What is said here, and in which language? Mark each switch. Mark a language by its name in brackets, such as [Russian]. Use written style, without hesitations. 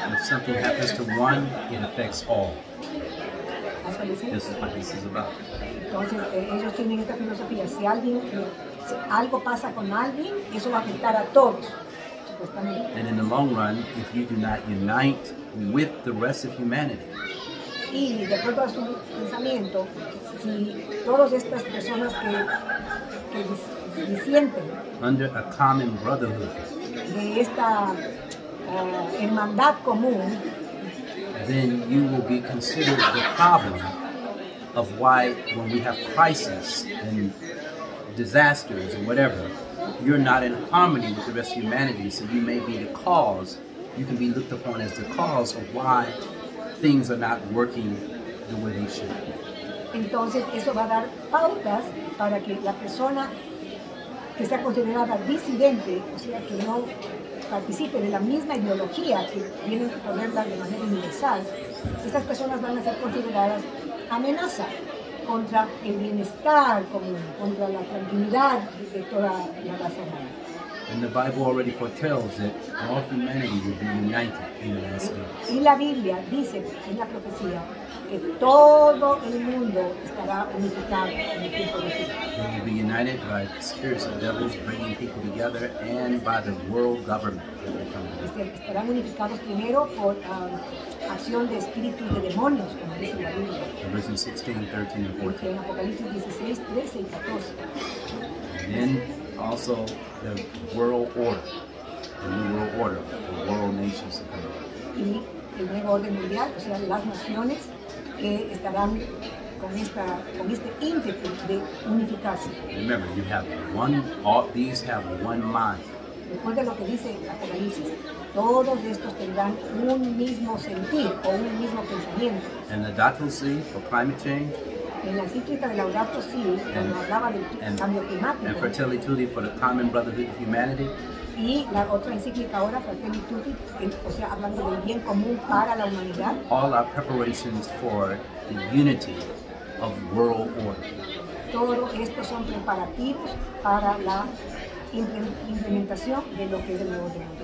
[English] If something happens to one, it affects all. This is what this is about. [Spanish] Entonces, ellos tienen esta filosofía. Si alguien, si algo pasa con alguien, eso va a afectar a todos. [English] And in the long run, if you do not unite with the rest of humanity, [Spanish] y de acuerdo a su pensamiento, si todas estas personas que disienten, [English] under a common brotherhood, [Spanish] de esta hermandad común, [English] then you will be considered the problem of why, when we have crisis and disasters or whatever, you're not in harmony with the rest of humanity. So you may be the cause, you can be looked upon as the cause of why things are not working the way they should. [Spanish] Entonces, eso va a dar pautas para que la persona que sea considerada disidente, o sea, que no participe de la misma ideología que vienen a ponerla de manera universal, estas personas van a ser consideradas amenaza contra el bienestar común, contra la tranquilidad de toda la raza humana. [English] And the Bible already foretells that all humanity will be united in the last days. [Spanish] Y la Biblia dice en la profecía que todo el mundo estará unificado en el tiempo de Cristo. [English] We will be united by the spirits of devils bringing people together and by the world government. [Spanish] Estarán unificados primero por acción de espíritus de demonios, como dice la Biblia. [English] In Revelation 16, 13 and 14. [Spanish] En Apocalipsis 16, 13 y 14. [English] And then also the world order, the new world order, the world nations to come. [Spanish] Y el nuevo orden mundial, o sea, las naciones que estarán con este ímpetu de unificarse. [English] Remember, you have one, all these have one mind. [Spanish] Recuerda lo que dice Apocalipsis, todos estos tendrán un mismo sentir o un mismo pensamiento. [English] And the doctrine see for climate change. [Spanish] En la cíclica de Laudato Si, cuando hablaba del cambio climático, [English] and Fratelli Tutti for the common brotherhood of humanity, [Spanish] y la otra encíclica ahora, Fratelli Tutti, o sea, hablando del bien común para la humanidad, [English] all our preparations for the unity of world order. [Spanish] Todo esto son preparativos para la implementación de lo que es el nuevo orden.